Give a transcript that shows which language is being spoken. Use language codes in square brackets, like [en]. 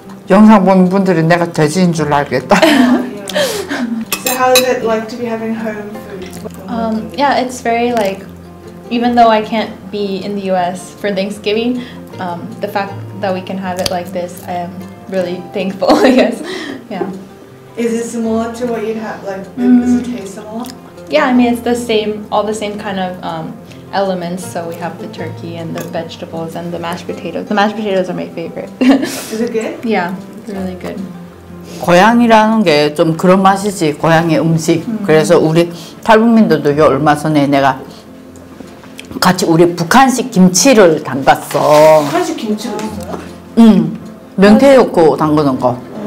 [ko] 영상 보는 분들은 내가 돼지인 줄 알겠다. [en] So how is it like to be having home food? Yeah, it's very like, even though I can't be in the US for Thanksgiving, the fact that we can have it like this, I am really thankful, I guess. Yeah. Is it similar to what you'd have, like, does it taste similar? Yeah, I mean, it's the same, all the same kind of, elements, so we have the turkey and the vegetables and the mashed potatoes. The mashed potatoes are my favorite. Is it good? Yeah, really good. [ko] 고향이라는 게 좀 그런 맛이지, 고향의 음식. 그래서 우리 탈북민들도 얼마 전에 내가 같이 우리 북한식 김치를 담갔어. 북한식 김치를 담갔어요? 응, 명태 넣고 담그는 거.